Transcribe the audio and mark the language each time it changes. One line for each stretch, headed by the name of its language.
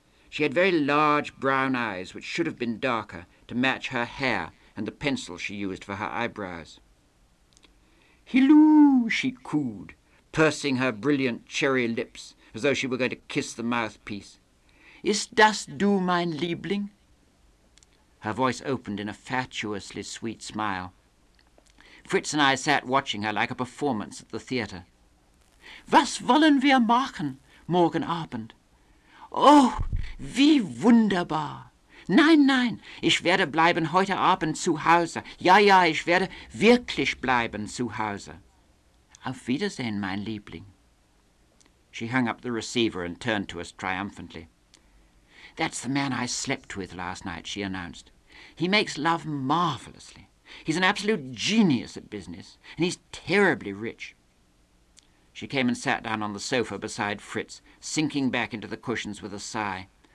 English: She had very large brown eyes, which should have been darker, to match her hair and the pencil she used for her eyebrows. "Hello," she cooed, pursing her brilliant cherry lips as though she were going to kiss the mouthpiece.
German: "Ist das du, mein Liebling?"
English: Her voice opened in a fatuously sweet smile. Fritz and I sat watching her like a performance at the theatre.
German: "Was wollen wir machen?" Morgan Abend. "Oh, wie wunderbar! Nein, nein, ich werde bleiben heute Abend zu Hause. Ja, ja, ich werde wirklich bleiben zu Hause. Auf Wiedersehen, mein Liebling."
English: She hung up the receiver and turned to us triumphantly. "That's the man I slept with last night," she announced. "He makes love marvellously. He's an absolute genius at business, and he's terribly rich." She came and sat down on the sofa beside Fritz, sinking back into the cushions with a sigh.